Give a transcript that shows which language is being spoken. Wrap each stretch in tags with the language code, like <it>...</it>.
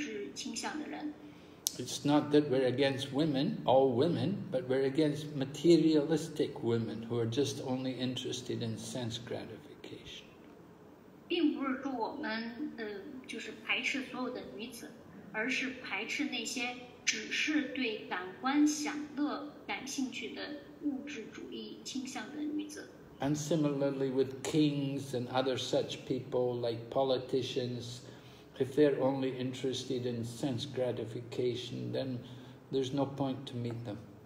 <zh>但是呢，根据这严格的原则来说呢，我们不要去见那些只是对于感官享乐感兴趣的物质倾向的人。</zh> <en>It's not that we're against women, all women, but we're against materialistic women who are just only interested in sense gratification.</en> <zh>并不是说我们就是排斥所有的女子，而是排斥那些只是对感官享乐感兴趣的物质主义倾向的女子。</zh> <en>And similarly with kings and other such people like politicians, if they're only interested in sense gratification, then there's no point to meet them.</en>